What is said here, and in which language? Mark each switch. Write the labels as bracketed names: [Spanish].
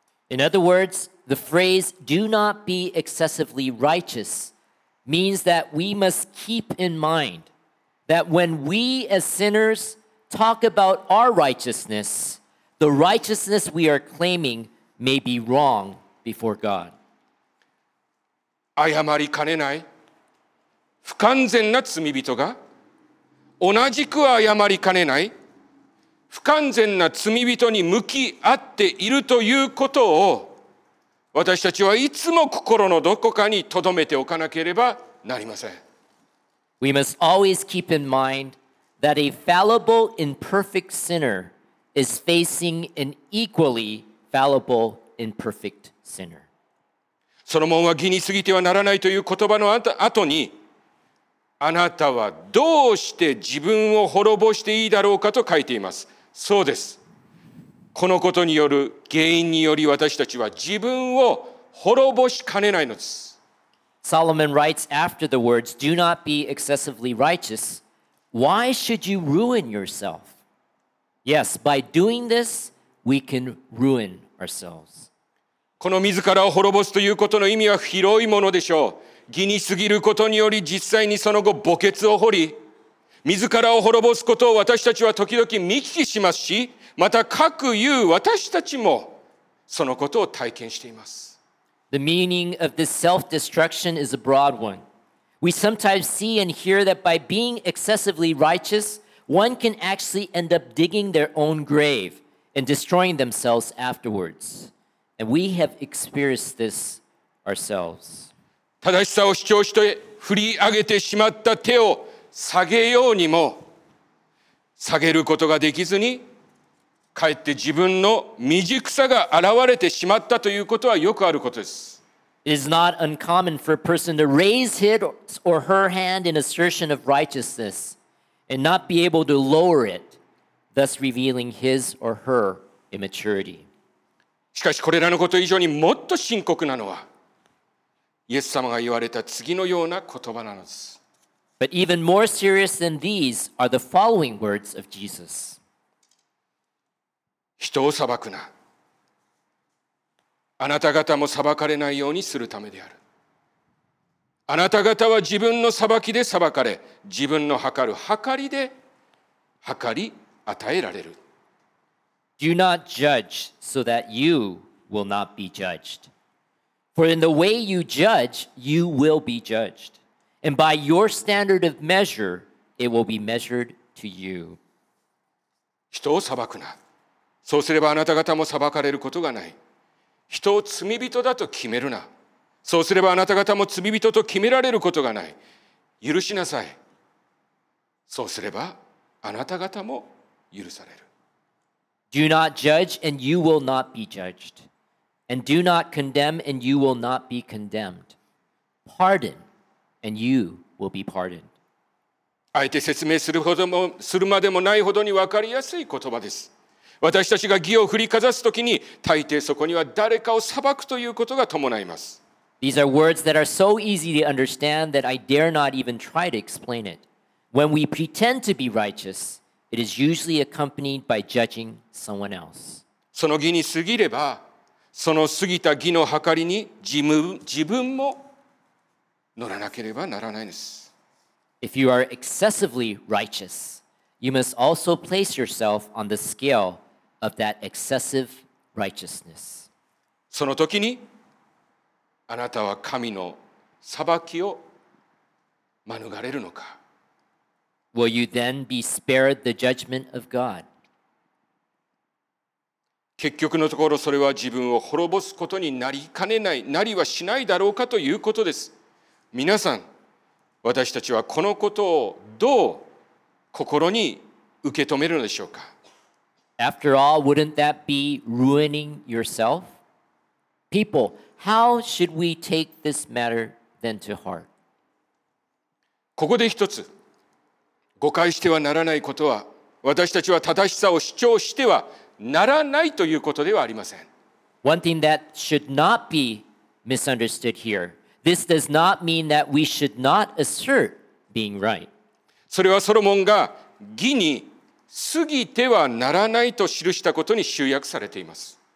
[English] In other words, the phrase "do not be excessively righteous" means that we must keep in mind that when we as sinners talk about our righteousness, the righteousness we are claiming may be wrong. Before God. [Japanese] 謝りかねない不完全な罪人が同じく謝りかねない不完全な罪人に向き合っているということを私たちはいつも心のどこかに留めておかなければなりません。 [English] We must always keep in mind that a fallible, imperfect sinner is facing an equally fallible, imperfect sinner. [Japanese] ソロモンは義に過ぎてはならないという言葉の後に、あなたはどうして自分を滅ぼしていいだろうかと書いています。そうです。このことによる原因により私たちは自分を滅ぼしかねないのです。 [English] Solomon writes after the words, Do not be excessively righteous. Why should you ruin yourself? Yes, by doing this, we can ruin ourselves. [Japanese] この自らを滅ぼすということの意味は広いものでしょう。義に過ぎることにより実際にその後墓穴を掘り、自らを滅ぼすことを私たちは時々見聞きしますし、また各有私たちもそのことを体験しています。 [English] The meaning of this self-destruction is a broad one. We sometimes see and hear that by being excessively righteous, one can actually end up digging their own grave and destroying themselves afterwards. And we have experienced this ourselves. [Japanese] 正しさを主張して振り上げてしまった手を下げようにも下げることができずに、かえって自分の未熟さが現れてしまったということはよくあることです。 [English] It is not uncommon for a person to raise his or her hand in assertion of righteousness and not be able to lower it, thus revealing his or her immaturity. [Japanese] しかしこれらのこと以上にもっと深刻なのは、イエス様が言われた次のような言葉なのです。 [English] But even more serious than these are the following words of Jesus. [Japanese] 人を裁くな。あなた方も裁かれないようにするためである。あなた方は自分の裁きで裁かれ、自分の計る計りで計り与えられる。 [English] Do not judge so that you will not be judged. For in the way you judge, you will be judged. And by your standard of measure, it will be measured to you. [Japanese] 人を裁くな。そうすればあなた方も裁かれることがない。人を罪人だと決めるな。そうすればあなた方も罪人と決められることがない。許しなさい。そうすればあなた方も許される。 [English] Do not judge and you will not be judged. And do not condemn and you will not be condemned. Pardon and you will be pardoned. [Japanese] あえて説明するほどもするまでもないほどに分かりやすい言葉です。私たちが義を振りかざすときに、大抵そこには誰かを裁くということが伴います。 [English] These are words that are so easy to understand that I dare not even try to explain it. When we pretend to be righteous, it is usually accompanied by judging someone else. [Japanese] その義に過ぎれば、その過ぎた義の計りに自分も乗らなければならないです。 [English] If you are excessively righteous,You must also place yourself on the scale of that excessive righteousness. [Japanese] その時に、あなたは神の裁きを免れるのか。 [English] Will you then be spared the judgment of God? [Japanese] 結局のところ、それは自分を滅ぼすことになりかねない、なりはしないだろうかということです。皆さん、私たちはこのことをどう心に受け止めるのでしょうか。 [English] After all, wouldn't that be ruining yourself? People, how should we take this matter then to heart? [Japanese] ここで一つ誤解してはならないことは、私たちは正しさを主張してはならないということではありません。 [English] One thing that should not be misunderstood here. This does not mean that we should not assert being right. [Japanese] それはソロモンが義に過ぎてはならないと記したことに集約されています。